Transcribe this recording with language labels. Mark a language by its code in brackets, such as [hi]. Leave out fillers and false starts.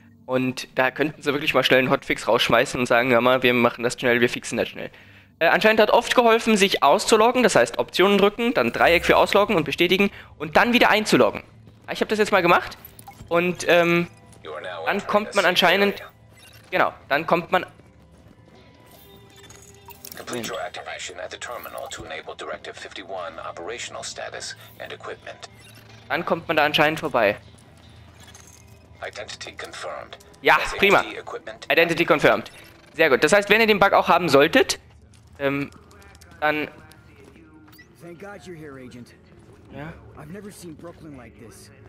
[de] Und da könnten sie wirklich mal schnell einen Hotfix rausschmeißen und sagen, ja mal, wir machen das schnell, wir fixen das schnell. Anscheinend hat oft geholfen, sich auszuloggen, das heißt Optionen drücken, dann Dreieck für ausloggen und bestätigen und dann wieder einzuloggen. Ich habe das jetzt mal gemacht und dann kommt man anscheinend... Genau, dann kommt man... [en] Complete your activation at the terminal to enable Directive 51 operational status and equipment. [de] Dann kommt man da anscheinend vorbei. [en] Identity confirmed. [de] Ja, prima. [en] Identity confirmed. [de] Sehr gut. Das heißt, wenn ihr den Bug auch haben solltet, dann... [en] Thank God you're here, Agent. [de] Ja? [en] I've never seen Brooklyn like this.